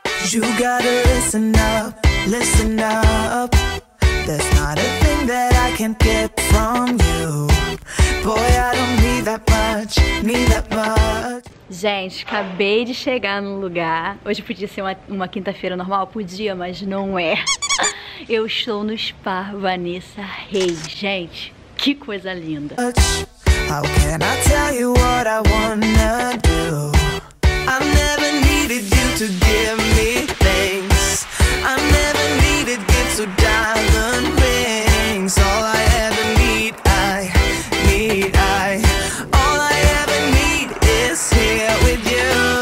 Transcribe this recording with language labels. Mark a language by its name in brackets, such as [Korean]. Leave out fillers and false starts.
[English] You gotta listen up, there's not a thing that I can't get from you. Boy, I don't need that much, need that much. [Portuguese] Gente, acabei de chegar no lugar. Hoje podia ser uma quinta-feira normal, podia, mas não é. Eu estou no spa Vanessa Reis, gente, que coisa linda. [English] How can I tell you what I wanna do? I never needed you to give me things. I never needed gifts or diamond rings. All I ever need, I need. All I ever need is here with you.